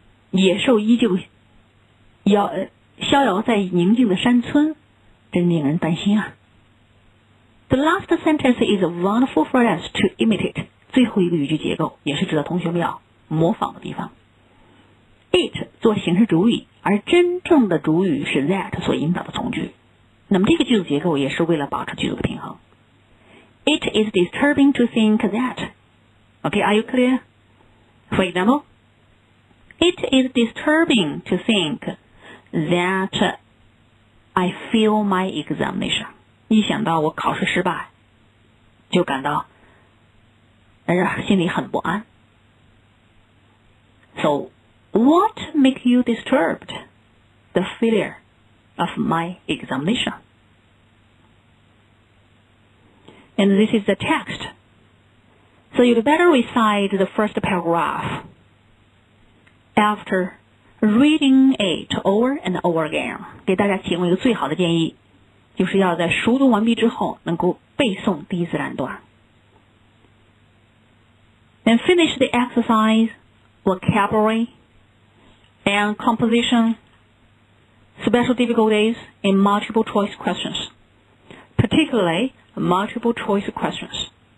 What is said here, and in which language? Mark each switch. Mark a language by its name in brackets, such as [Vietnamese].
[Chinese] 野兽依旧逍遥在宁静的山村真令人担心啊 [English] The last sentence is a wonderful phrase to imitate [Chinese] 最后一个语句结构也是值得同学们要模仿的地方 It 做形式主语而真正的主语是 that 所引导的从句那么这个句子结构也是为了保持句子的平衡 [English] It is disturbing to think that. Okay, are you clear? For example, it is disturbing to think that I fail my examination. [Chinese] 一想到我考试失败，就感到心里很不安。 [English] So, what make you disturbed? The failure of my examination. and this is the text. So you'd better recite the first paragraph after reading it over and over again. [Chinese] 给大家提供一个最好的建议，就是要在熟读完毕之后能够背诵第一自然段。 [English] And finish the exercise, vocabulary, and composition, special difficulties in multiple choice questions, particularly multiple choice questions.